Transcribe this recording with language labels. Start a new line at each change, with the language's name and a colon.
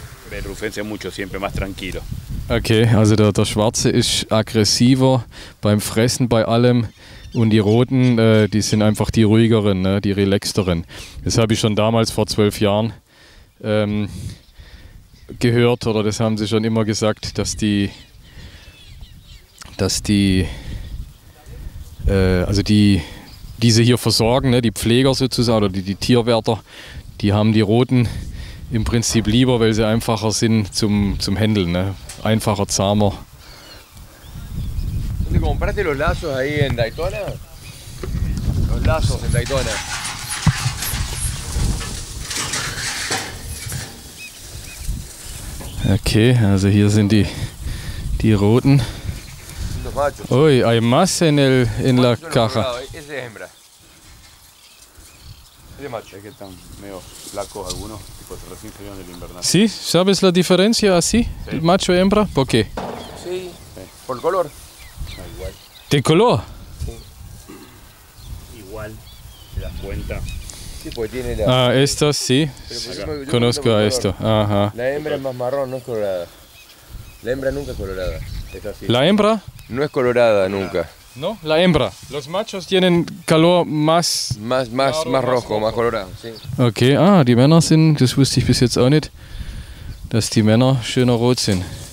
Spanish: El rufense mucho siempre más tranquilo.
German: Okay, also der Schwarze ist aggressiver beim Fressen, bei allem. Und die Roten, die sind einfach die ruhigeren, ne? Die relaxteren. Das habe ich schon damals vor 12 Jahren gehört, oder das haben sie schon immer gesagt, dass diese hier versorgen, ne? Die Pfleger sozusagen, oder die Tierwärter, die haben die Roten im Prinzip lieber, weil sie einfacher sind zum Händeln, ne? Einfacher, zahmer.
Spanish: ¿Dónde compraste los lazos ahí en Daytona? Los lazos en Daytona.
German: Okay, also hier sind die roten.
Spanish: Son los machos. Uy, hay más en la caja. Ese es hembra. Es de macho. Es que están medio flacos algunos, tipo recién salieron del invernal. ¿Sí? ¿Sabes la diferencia así? Sí. ¿Macho y hembra? ¿Por qué? Sí, por el color. Igual. ¿De color? Sí. Igual, ¿te das cuenta? Sí, porque tiene la... Ah, esto sí. Conozco a esto. Ajá. La hembra es más marrón, no es colorada. La hembra nunca es colorada. Es así. ¿La hembra? No es colorada nunca. ¿No? La hembra. Los machos tienen color más... Más, claro, más rojo, más colorado. Sí.
German: Ok, ah, die Männer sind, das wusste ich bis jetzt auch nicht, dass die Männer schöner rot sind.